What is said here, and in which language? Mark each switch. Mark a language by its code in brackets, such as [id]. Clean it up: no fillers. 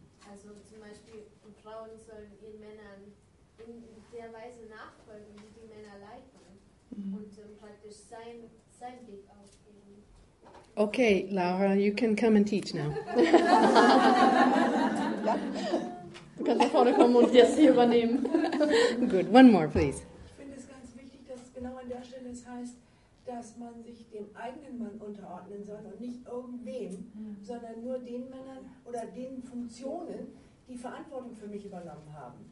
[de] Also zum Beispiel, Frauen sollen ihren Männern in der Weise nachfolgen, wie die Männer leiten und praktisch sein Weg auf. [en] Okay, Laura, you can come and teach now. [de] Du kannst nach vorne kommen und jetzt hier übernehmen. [en] Good, one more, please. [de] Ich finde es ganz wichtig, dass es genau an der Stelle es heißt, dass man sich dem eigenen Mann unterordnen soll und nicht irgendwem, sondern nur den Männern oder den Funktionen, die Verantwortung für mich übernommen haben.